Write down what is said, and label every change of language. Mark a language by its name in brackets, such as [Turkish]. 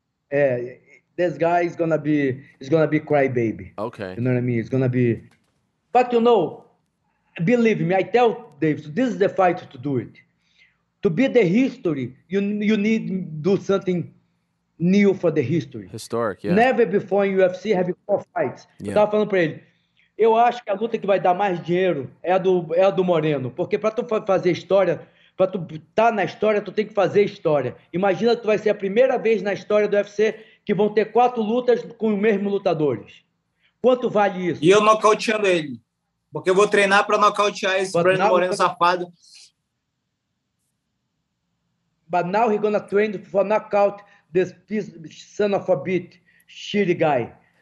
[English] This guy is going to be... He's going to be cry baby. Okay. You know what I mean? It's going to be... But you know... Believe me, I tell Dave, so this is the fight to do it. To be the history, you need to do something new for the history. Historic, yeah. Never before in UFC have four fights. [Portuguese] Yeah. Eu tava falando pra ele, eu acho que a luta que vai dar mais dinheiro é a do Moreno. Porque pra tu fazer história, pra tu estar na história, tu tem que fazer história. Imagina que tu vai ser a primeira vez na história do UFC que vão ter quatro lutas com os mesmos lutadores. Quanto vale isso? E eu nocauteando ele. Porque eu vou treinar para nocautear esse Breno Moreno safado. [English] But now he's gonna train for knockout this piece, son of a bitch, shitty guy.